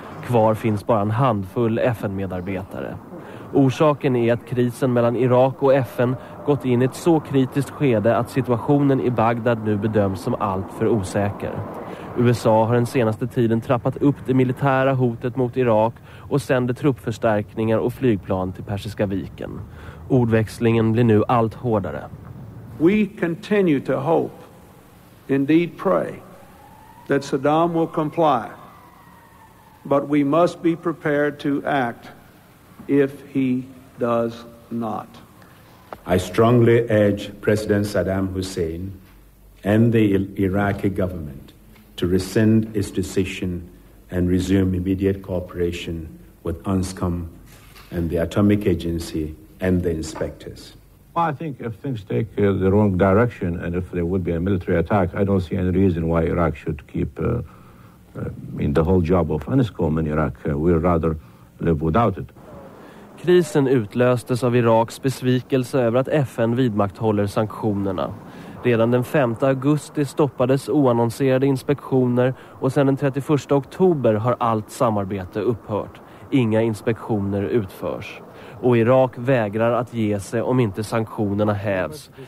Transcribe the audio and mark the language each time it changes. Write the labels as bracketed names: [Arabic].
[Swedish] Kvar finns bara en handfull FN-medarbetare. Orsaken är att krisen mellan Irak och FN gått in i ett så kritiskt skede att situationen i Bagdad nu bedöms som allt för osäker. USA har den senaste tiden trappat upp det militära hotet mot Irak och sänder truppförstärkningar och flygplan till Persiska viken. Ordväxlingen blir nu allt hårdare. [English] We continue to hope, indeed pray, that Saddam will comply. But we must be prepared to act if he does not. I strongly urge President Saddam Hussein and the Iraqi government to rescind its decision and resume immediate cooperation with UNSCOM and the Atomic Agency and the inspectors. Well, I think if things take the wrong direction and if there would be a military attack, I don't see any reason why Iraq should keep the whole job of UNSCOM in Iraq. We'd rather live without it. [Swedish] Krisen utlöstes av Iraks besvikelse över att FN vidmakthåller sanktionerna. Redan den 5 augusti stoppades oannonserade inspektioner och sedan den 31 oktober har allt samarbete upphört. Inga inspektioner utförs. Och Irak vägrar att ge sig om inte sanktionerna hävs.